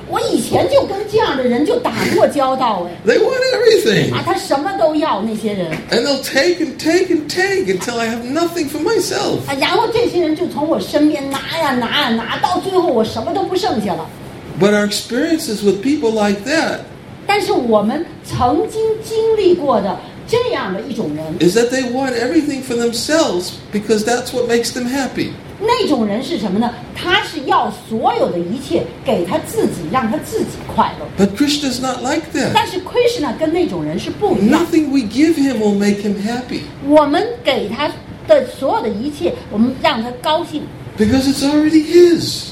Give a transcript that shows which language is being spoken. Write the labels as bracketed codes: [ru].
[zh] 我以前就跟这样的人就打过交道哎。 [en] They want everything. [zh] 啊，他什么都要那些人。 [en] And they'll take and take and take until I have nothing for myself. [zh] 啊，然后这些人就从我身边拿呀拿呀拿，到最后我什么都不剩下了。 [en] But our experiences with people like that. [zh] 但是我们曾经经历过的这样的一种人。 [en] Is that they want everything for themselves because that's what makes them happy. [zh] 那种人是什么呢？他是要所有的一切给他自己，让他自己快乐。 [en] But Krishna's not like that. [zh] 但是 Krishna 跟那种人是不一样。 [en] Nothing we give him will make him happy. [zh] 我们给他的所有的一切，我们让他高兴。 [en] Because it's already his.